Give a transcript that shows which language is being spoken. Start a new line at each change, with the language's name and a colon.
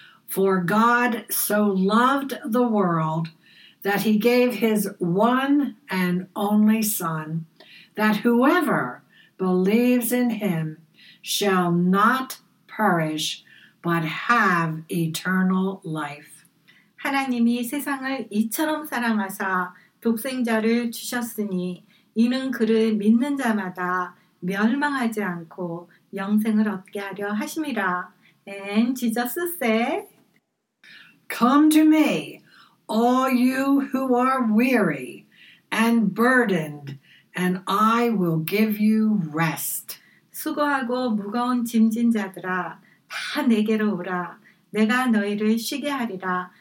English: For God so loved the world that he gave his one and only Son, that whoever believes in him shall not perish, but have eternal life.
Korean: 하나님이 세상을 이처럼 사랑하사 독생자를 주셨으니 이는 그를 믿는 자마다 멸망하지 않고 영생을 얻게 하려 하심이라.
English: And Jesus said, Come to me, all you who are weary and burdened, and I will give you rest.
Korean: 수고하고 무거운 짐진 자들아, 다 내게로 오라. 내가 너희를 쉬게 하리라.